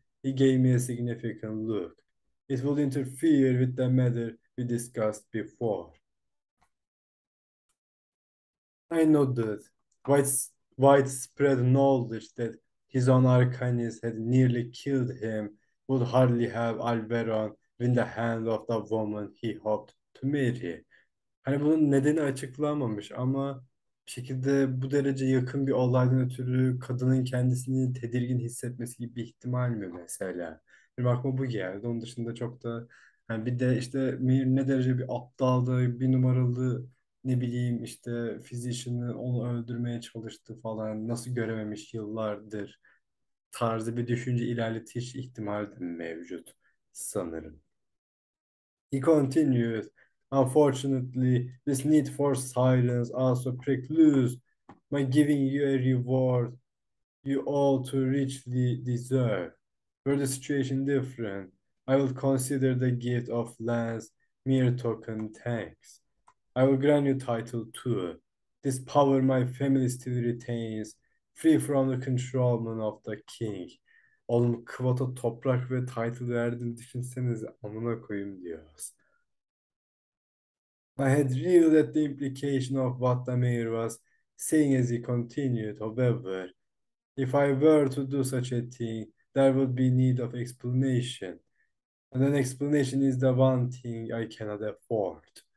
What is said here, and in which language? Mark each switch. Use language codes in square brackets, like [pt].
[en] He gave me a significant look. It will interfere with the matter we discussed before. I nodded. Widespread knowledge that his own Arcanist had nearly killed him would hardly have Alberon in the hand of the woman he hoped to marry. [tr] Hani bunun nedeni açıklanmamış ama bir şekilde bu derece yakın bir olaydan ötürü kadının kendisini tedirgin hissetmesi gibi bir ihtimal mi mesela? Bir bakma bu geldi. Onun dışında çok da Yani bir de işte Mir ne derece bir aptaldı, bir numaralı, ne bileyim işte fizisyenin onu öldürmeye çalıştı falan, nasıl görememiş yıllardır tarzı bir düşünce ilerletiş ihtimali de mevcut sanırım. [en] He continues. Unfortunately, this need for silence also precludes my giving you a reward you all too richly deserve. Were the situation different, I will consider the gift of lands mere token thanks. I will grant you title too. This power my family still retains, free from the control of the king. [tr] Oğlum kvota toprak ve title verdim, düşünsenize, amına koyayım diyoruz. [en] I had reeled at the implication of what the mayor was saying as he continued, however, if I were to do such a thing, there would be need of explanation. And an explanation is the one thing I cannot afford.